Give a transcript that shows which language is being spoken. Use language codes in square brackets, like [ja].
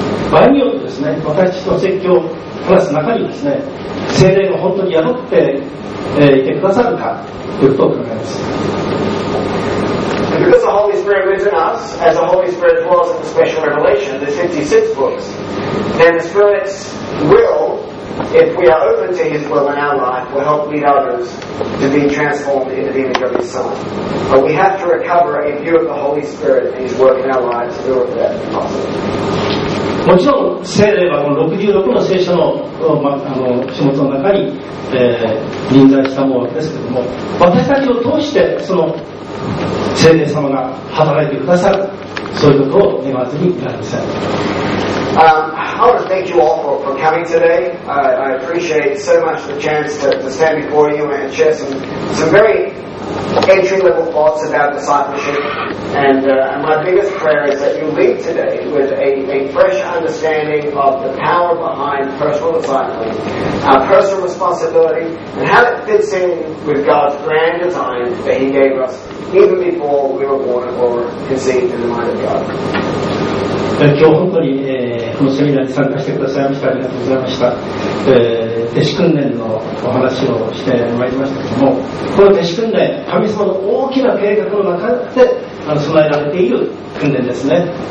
[ja] 場合によってですね、私たちの説教を話す中にですね、聖霊が本当に宿って、いてくださるかということを考えます。 [en] Because the Holy Spirit lives in us, as the Holy Spirit dwells in the special revelation, the 66 books, then the Spirit's will, if we are open to His will in our life, will help lead others to be transformed into the image of His Son. But we have to recover a view of the Holy Spirit and His work in our lives to do that possible. [ja] もちろん聖霊はこの66の聖書 の、ま、あの書物の中に、臨在したものですけれども、私たちを通してその聖霊様が働いてくださる、そういうことを願わずにいられません。 [en] I want to thank you all for coming today. I appreciate so much the chance to stand before you and share some very entry level thoughts about discipleship. And my biggest prayer is that you leave today with a fresh understanding of the power behind personal discipling, our personal responsibility, and how it fits in with God's grand design that He gave us even before we were born or conceived in the mind of God. [ja] 今日本当に、このセミナーに参加してくださいました。ありがとうございました。弟子訓練のお話をしてまいりましたけども、この弟子訓練、神様の大きな計画の中で備えられている訓練ですね。